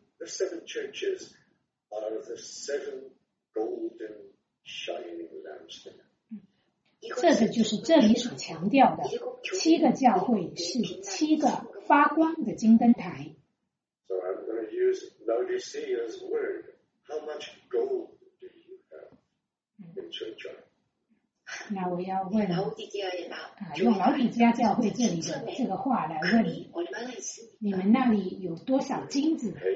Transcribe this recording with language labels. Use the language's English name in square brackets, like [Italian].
[English] The seven churches are the seven golden shining lampstands. [Chinese] 这个就是这里所强调的，七个教会是七个发光的金灯台。 [English] So I'm going to use Laodicea's word. How much gold do you have in church? [Chinese] 那我要问用老底家教会这里的这个话来问你，你们那里有多少金子？